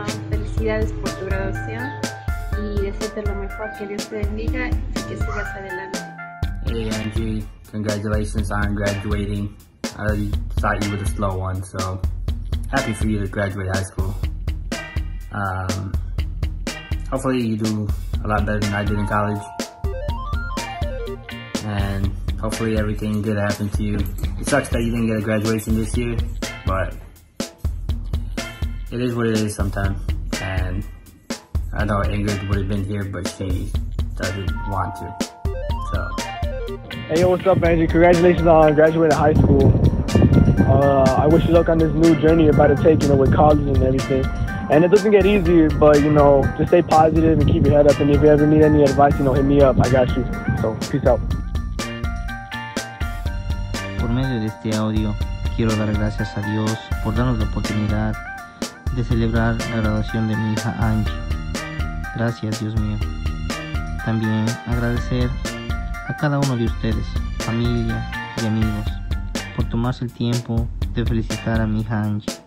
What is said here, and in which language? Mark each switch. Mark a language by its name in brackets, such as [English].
[Spanish] Felicidades por tu graduación y deséate lo mejor. Que Dios te bendiga y que sigas adelante. [English] Hey Angie, congratulations on graduating. I thought you were the slow one, so happy for you to graduate high school. Hopefully you do a lot better than I did in college, and hopefully everything good happens to you. It sucks that you didn't get a graduation this year, but it is what it is sometimes, and I know Ingrid would have been here, but she doesn't want to, so. Hey, what's up, Angie? Congratulations on graduating high school. I wish you luck on this new journey you're about to take, you know, with college and everything. And it doesn't get easier, but, you know, just stay positive and keep your head up. And if you ever need any advice, you know, hit me up. I got you. So, peace out. [Spanish] Por medio de este audio, quiero dar gracias a Dios por darnos la oportunidad de celebrar la graduación de mi hija Angie. Gracias, Dios mío. También agradecer a cada uno de ustedes, familia y amigos, por tomarse el tiempo de felicitar a mi hija Angie.